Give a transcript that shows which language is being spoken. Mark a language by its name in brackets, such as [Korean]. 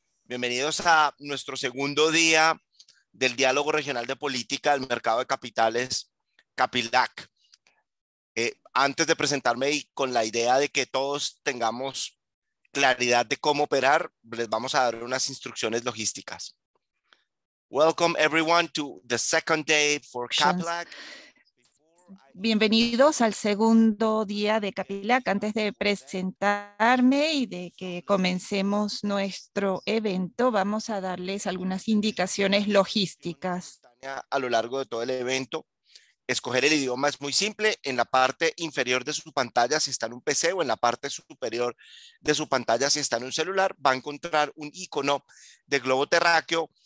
[Spanish] Bienvenidos a nuestro segundo día del diálogo regional de política del mercado de capitales CAPILAC. Antes de presentarme y con la idea de que todos tengamos claridad de cómo operar, les vamos a dar unas instrucciones logísticas. [English] Welcome everyone to the second day for CAPILAC. [Spanish] Bienvenidos al segundo día de CAPILAC. Antes de presentarme y de que comencemos nuestro evento, vamos a darles algunas indicaciones logísticas. A lo largo de todo el evento, escoger el idioma es muy simple. En la parte inferior de su pantalla, si está en un PC, o en la parte superior de su pantalla, si está en un celular, va a encontrar un icono de globo terráqueo.